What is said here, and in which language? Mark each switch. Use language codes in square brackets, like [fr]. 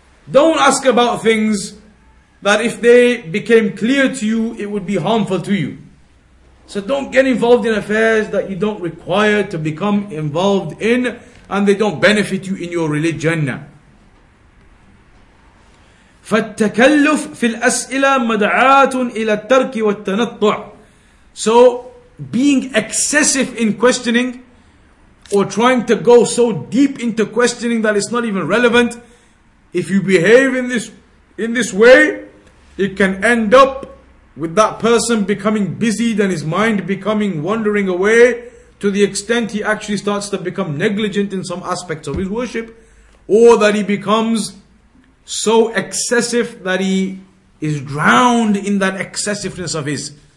[en] Don't ask about things that if they became clear to you, it would be harmful to you. So don't get involved in affairs that you don't require to become involved in, and they don't benefit you in your religion. [ar] فالتكلف في الأسئلة مدعاة إلى الترك والتنطع. [en] So being excessive in questioning, or trying to go so deep into questioning that it's not even relevant, if you behave in this way, it can end up with that person becoming busied and his mind becoming wandering away to the extent he actually starts to become negligent in some aspects of his worship, or that he becomes so excessive that he is drowned in that excessiveness of his.